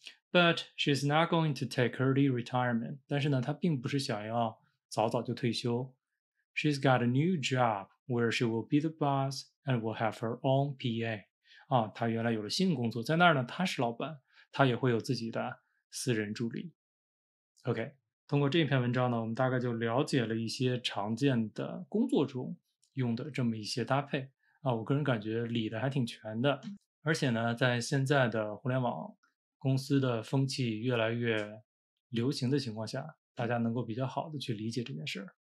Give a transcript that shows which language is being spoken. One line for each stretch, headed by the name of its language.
English: But she's not going to take early retirement.
Chinese: 但是呢，她并不是想要早早就退休。
English: She's got a new job where she will be the boss and will have her own PA.
Chinese: 啊，她原来有了新工作，在那儿呢，她是老板，她也会有自己的私人助理。 OK, 通过这篇文章呢，我们大概就了解了一些常见的工作中用的这么一些搭配。啊，我个人感觉理的还挺全的。而且呢，在现在的互联网公司的风气越来越流行的情况下，大家能够比较好的去理解这件事。